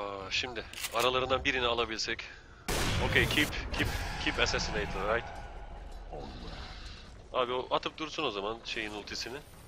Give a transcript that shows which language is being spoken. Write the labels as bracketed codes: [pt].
[tr] Şimdi aralarından birini alabilsek. [en] Okay, keep assassinating, right? [tr] Abi o atıp dursun o zaman şeyin ultisini.